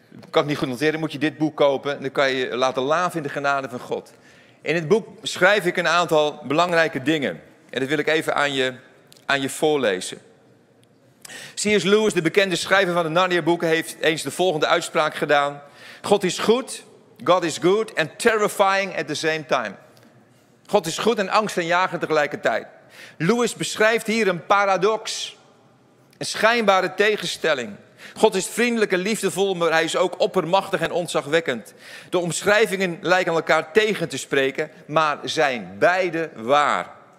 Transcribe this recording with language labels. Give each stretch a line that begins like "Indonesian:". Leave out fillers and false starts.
Dutch: Kan ik niet goed noteren, moet je dit boek kopen. Dan kan je laten laven in de genade van God. In het boek schrijf ik een aantal belangrijke dingen. En dat wil ik even aan je voorlezen. C.S. Lewis, de bekende schrijver van de Narnia-boeken, heeft eens de volgende uitspraak gedaan. God is goed,
English: God is good and terrifying at the same time.
Dutch: God is goed en angstaanjagend tegelijkertijd. Lewis beschrijft hier een paradox, een schijnbare tegenstelling. God is vriendelijk en liefdevol, maar hij is ook oppermachtig en ontzagwekkend. De omschrijvingen lijken elkaar tegen te spreken, maar zijn beide waar.